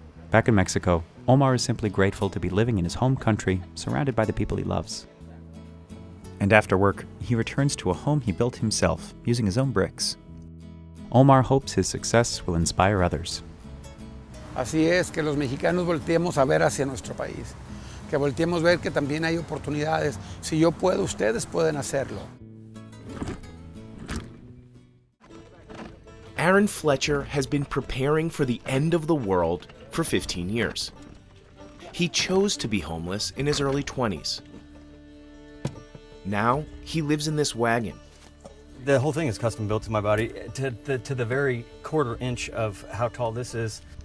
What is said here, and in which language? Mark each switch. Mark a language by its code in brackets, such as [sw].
[en] Back in Mexico, Omar is simply grateful to be living in his home country, surrounded by the people he loves. And after work, he returns to a home he built himself, using his own bricks. Omar hopes his success will inspire others. [es] Así es, que los mexicanos volteemos a ver hacia nuestro país. Que volteemos a ver que también hay oportunidades. Si yo puedo, ustedes pueden hacerlo. [en] Aaron Fletcher has been preparing for the end of the world for 15 years. He chose to be homeless in his early 20s. Now, he lives in this wagon. The whole thing is custom built to my body, to the very quarter inch of how tall this is.